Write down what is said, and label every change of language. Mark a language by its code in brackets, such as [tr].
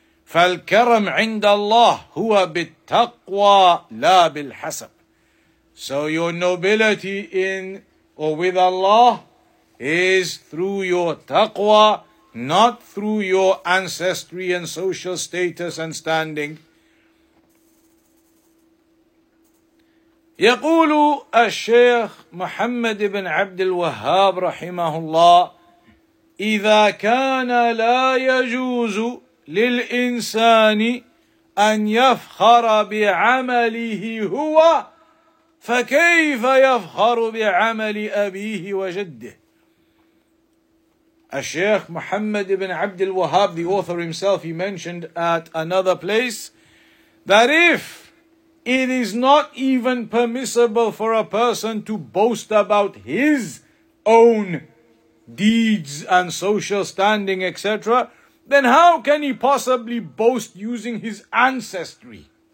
[ar] فَالْكَرَمْ عِنْدَ اللَّهِ هُوَ بِالتَّقْوَى لَا بِالْحَسَبِ. [en] So your nobility in or with Allah is through your taqwa, not through your ancestry and social status and standing. [ar] يقول الشيخ محمد بن عبد الوهاب رحمه الله إذا كان لا يجوز للإنسان أن يفخر بعمله هو فكيف يفخر بعمل أبيه وجده. [en] الشيخ محمد بن عبد الوهاب, the author himself, he mentioned at another place that if it is not even permissible for a person to boast about his own deeds and social standing, etc., then how can he possibly boast using his ancestry?